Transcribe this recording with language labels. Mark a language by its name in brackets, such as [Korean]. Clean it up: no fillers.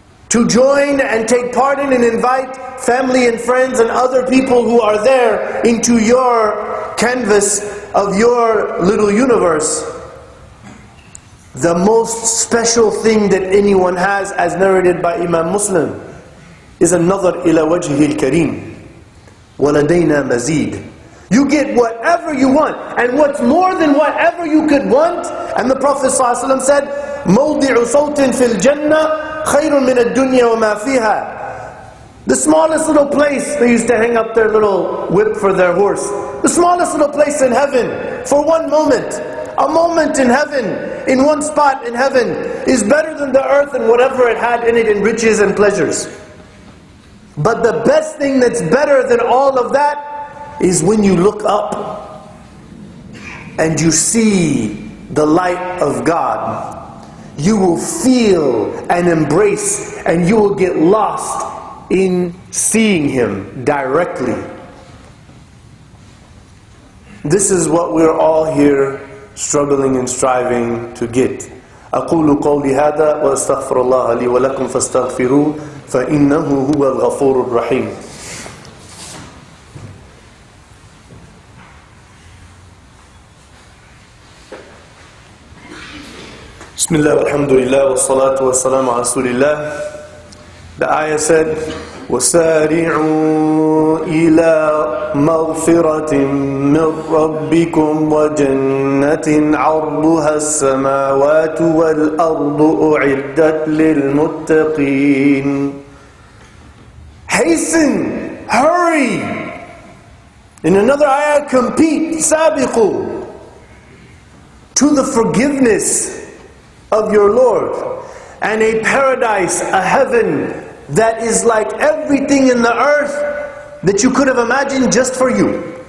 [English] to join and take part in and invite family and friends and other people who are there into your canvas of your little universe, the most special thing that anyone has, as narrated by Imam Muslim, is [Arabic] النظر إلى وجهه الكريم ولدينا مزيد. [English] You get whatever you want, and what's more than whatever you could want. And the Prophet ﷺ said, [Arabic] مَوْضِعُ صَوْتٍ فِي الْجَنَّةِ خَيْرٌ مِنَ الدُّنْيَا وَمَا فِيهَا. [English] The smallest little place, they used to hang up their little whip for their horse. The smallest little place in heaven, for one moment. A moment in heaven, in one spot in heaven, is better than the earth and whatever it had in it in riches and pleasures. But the best thing that's better than all of that is when you look up and you see the light of God. You will feel and embrace, and you will get lost in seeing Him directly. This is what we're all here struggling and striving to get. [Arabic] أقول قولي هذا وأستغفر الله لي ولكم فاستغفروه فإنه هو الغفور الرحيم. بسم الله والحمد لله والصلاة والسلام على رسول الله. [English] The ayah said, [Arabic] وَسَارِعُوا إِلَىٰ مَغْفِرَةٍ مِّن رَبِّكُمْ وَجَنَّةٍ عَرْضُهَا السَّمَاوَاتُ وَالْأَرْضُ أُعِدَّتْ لِلْمُتَّقِينَ. [English] Hasten, hurry. In another ayah, compete, سَابِقُوا, to the forgiveness of your Lord, and a paradise, a heaven, that is like everything in the earth that you could have imagined just for you.